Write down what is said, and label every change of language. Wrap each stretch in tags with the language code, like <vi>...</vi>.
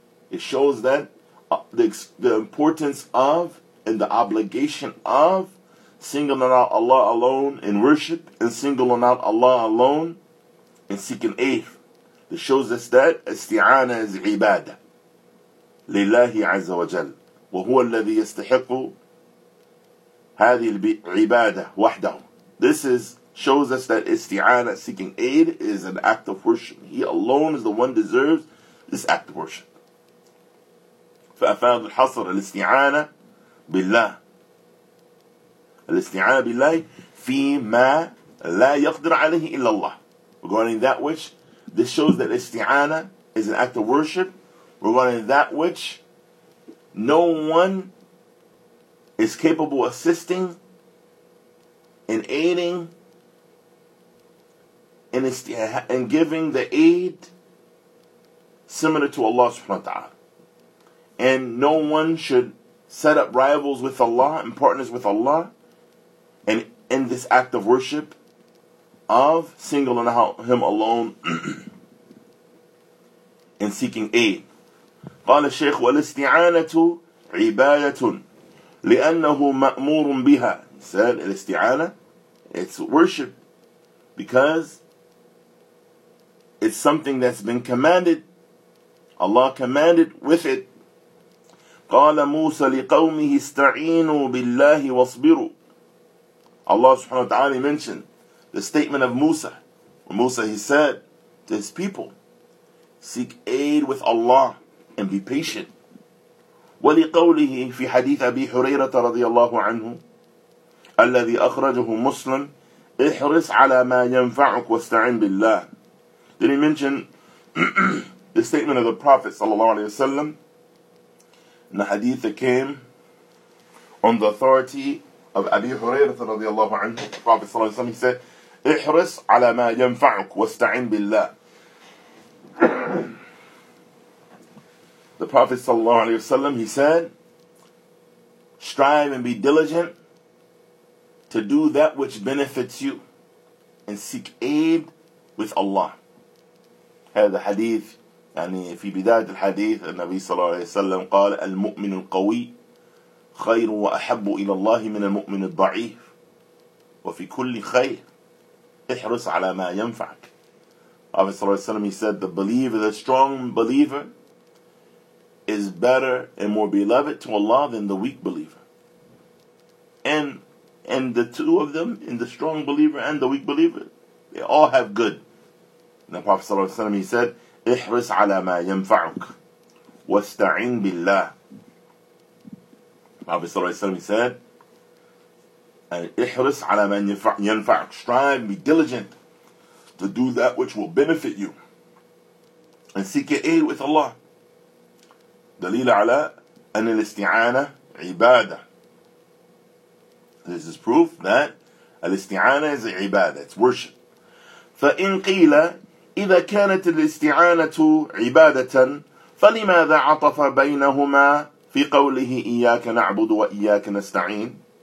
<en>It shows that the importance of and the obligation of singling out Allah alone in worship, and singling out Allah alone in seeking aid. This shows us that</en> <ar>استعانة is عبادة لله عز وجل وهو الذي يستحق هذه العبادة وحده.</ar> <en>This shows us that استعانة, seeking aid, is an act of worship. He alone is the one deserves this act of worship.</en> <ar>فأفاد الحصر الاستعانة بالله. الاستعانة بالله فيما لا يقدر عليه إلا الله.</ar> <en>Regarding that which, this shows that استعانة is an act of worship. Regarding that which, no one is capable of assisting and aiding and giving the aid similar to Allah subhanahu wa ta'ala. And no one should set up rivals with Allah and partners with Allah and in this act of worship of singling out Him alone and seeking aid.</en> <ar>قال الشيخ والاستعانة عبادة لأنه مأمور بها.</ar> <en>He said الاستعانة, it's worship because it's something that's been commanded. Allah commanded with it.</en> <ar>قال موسى لقومه استعينوا بالله واصبروا.</ar> <en>Allah subhanahu wa ta'ala mentioned the statement of Musa. Musa, he said to his people, seek aid with Allah and be patient.</en> <ar>ولقوله في حديث أبي حريرة رضي الله عنه الذي أخرجه مسلم احرص على ما ينفعك واستعين بالله.</ar> <en>Then he mentioned the statement of the Prophet sallallahu alayhi wa sallam. In the hadith that came on the authority of Abi Hurairah radiallahu anhu, the Prophet sallallahu alayhi wa sallam, he said,</en> <ar>احرص على ما ينفعك واستعين بالله.</ar> <en>The Prophet sallallahu alayhi wa sallam, he said, strive and be diligent to do that which benefits you, and seek aid with Allah.</en> <ar>هذا حديث, يعني في بداية الحديث النبي صلى الله عليه وسلم قال المؤمن القوي خير وأحب إلى الله من المؤمن الضعيف وفي كل خير احرص على ما ينفعك.</ar> <en>Prophet صلى الله عليه وسلم, he said, the believer, the strong believer, is better and more beloved to Allah than the weak believer. And the two of them, in the strong believer and the weak believer, they all have good. And the Prophet صلى الله عليه وسلم, he said,</en> <ar>احرص على ما ينفعك واستعين بالله.</ar> <en>Prophet صلى الله عليه وسلم, he said,</en> <ar>احرص على ما ينفع.</ar> <en>Strive, be diligent to do that which will benefit you. And seek your aid with Allah.</en> <ar>دليل على أن الاستعانة عبادة.</ar> <en>This is proof that الاستعانة is عبادة. It's worship.</en> <ar>فإن قيل إذا كانت الاستعانة عبادة فلماذا عطف بينهما في قوله إياك نعبد وإياك نستعين.</ar>